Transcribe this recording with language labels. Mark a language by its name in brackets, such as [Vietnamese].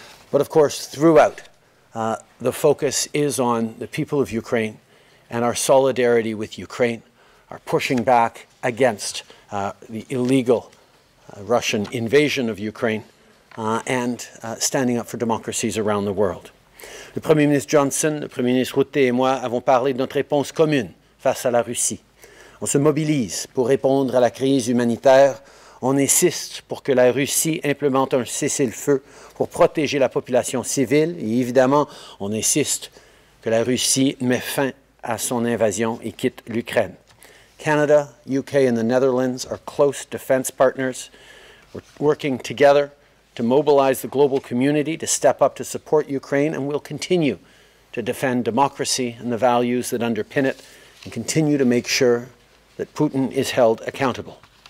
[English] But of course, throughout, the focus is on the people of Ukraine and our solidarity with Ukraine, our pushing back against the illegal Russian invasion of Ukraine, and standing up for democracies around the world. [French] Le Premier ministre Johnson, le Premier ministre Rutte et moi avons parlé de notre réponse commune face à la Russie. On se mobilise pour répondre à la crise humanitaire. On insiste pour que la Russie implemente un cessez-le-feu pour protéger la population civile. Et évidemment, on insiste que la Russie met fin à son invasion et quitte l'Ukraine. [English] Canada, UK and the Netherlands are close defense partners. We're working together to mobilize the global community to step up to support Ukraine, and we'll continue to defend democracy and the values that underpin it, and continue to make sure that Putin is held accountable.